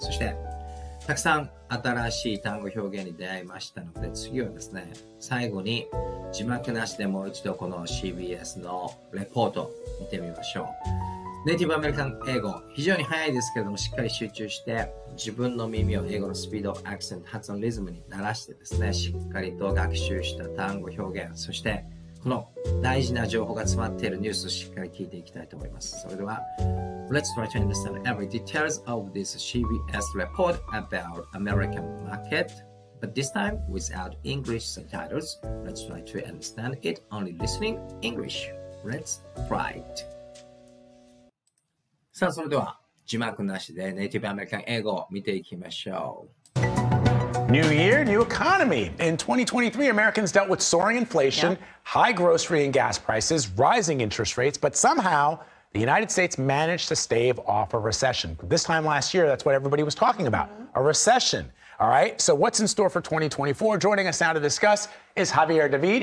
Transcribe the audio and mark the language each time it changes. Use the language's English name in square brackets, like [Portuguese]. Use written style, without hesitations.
[Japanese] そして、たくさん新しい単語表現に出会いましたので、次はですね、最後に字幕なしでもう一度この CBS のレポート見てみましょう。ネイティブアメリカン英語、非常に早いですけれども、しっかり集中して、自分の耳を英語のスピード、アクセント、発音、リズムに慣らしてですね、しっかりと学習した単語表現、そして、この大事な情報が詰まっているニュースをしっかり聞いていきたいと思います。それでは、 [English] Let's try to understand every details of this CBS report about American market, but this time without English subtitles. Let's try to understand it only listening English. Let's try it. [Japanese] さあ、それでは字幕なしでネイティブアメリカン英語を見ていきましょう。 [English] New year, new economy. In 2023, Americans dealt with soaring inflation, high grocery and gas prices, rising interest rates, but somehow the United States managed to stave off a recession. This time last year, that's what everybody was talking about, a recession. All right, so what's in store for 2024? Joining us now to discuss is Javier David.